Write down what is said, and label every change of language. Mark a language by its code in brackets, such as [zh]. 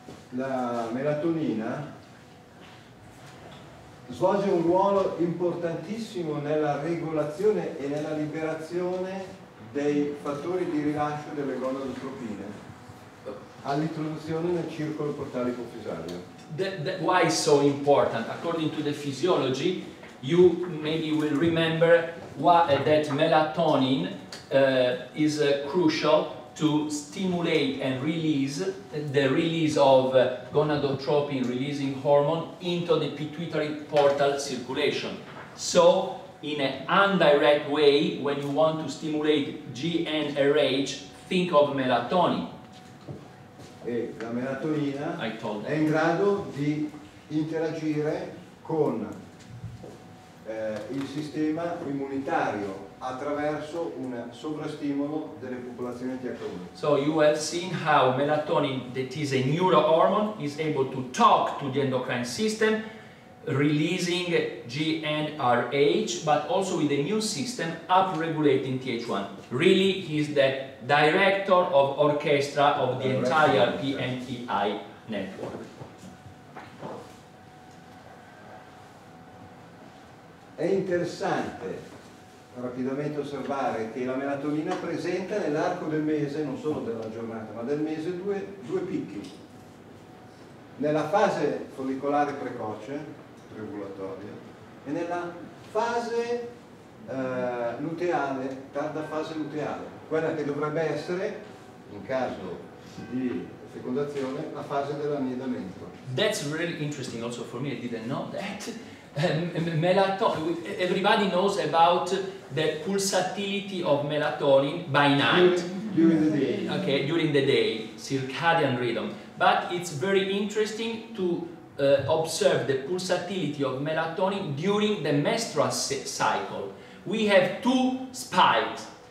[it] La melatonina svolge un ruolo importantissimo nella regolazione e nella liberazione dei fattori di rilascio delle gonadotropine all'introduzione nel circolo portale ipofisario. [en] Why is so important? According to the physiology, you maybe will remember that melatonin is crucial to stimulate and release the release of gonadotropin releasing hormone into the pituitary portal circulation. So in an indirect way, when you want to stimulate GnRH, think of melatonin. [it] E la melatonina è in grado di interagire con il sistema immunitario attraverso un sovrastimolo delle popolazioni di TH1. [en] So you have seen how melatonin, that is a neurohormone, is able to talk to the endocrine system, releasing GnRH, but also with the immune system upregulating TH1. Really, he's the director of orchestra of the entire PNEI network. [it] È interessante rapidamente osservare che la melatonina presenta nell'arco del mese, non solo della giornata, ma del mese, due picchi. Nella fase follicolare precoce, regolatoria, e nella fase luteale, tarda fase luteale, quella che dovrebbe essere, in caso di fecondazione, la fase dell'annidamento. [en] That's really interesting also for me, I didn't know that. Everybody knows about the pulsatility of melatonin by night. During the day. Okay, during the day, circadian rhythm. But it's very interesting to observe the pulsatility of melatonin during the menstrual cycle. We have two spikes.